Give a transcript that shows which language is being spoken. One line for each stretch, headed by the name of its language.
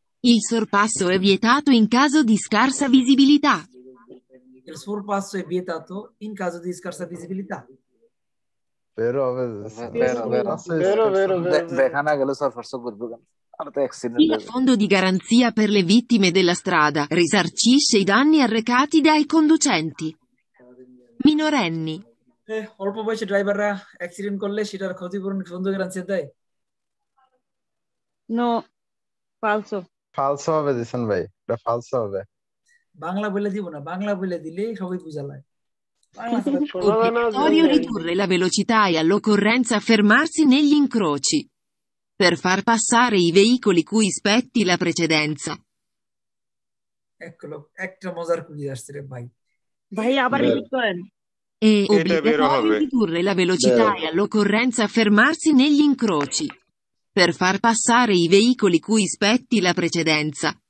Italian: il sorpasso è vietato in caso di scarsa visibilità il fondo di garanzia per le vittime della strada risarcisce i danni arrecati dai conducenti minorenni
Bangla: অল্প বয়সী ড্রাইভাররা accident করলে সেটার ক্ষতিপূরণ ফন্দ guarantee দেয়
Italian: নো ফালসো
Bangla: ফালসো হবে দিছেন ভাই এটা ফালসো হবে বাংলা বলে দিব না বাংলা বলে দিলে সবাই বুঝা লয়
Italian: বাংলা ridurre la velocità e all'occorrenza fermarsi negli incroci per far passare i veicoli cui spetti la precedenza
Bangla: eccolo একটা মজার কুড়ি আসছে রে ভাই ভাই আবার রিপিট করেন
Italian: è obbligatorio ridurre la velocità e all'occorrenza fermarsi negli incroci per far passare i veicoli cui spetti la precedenza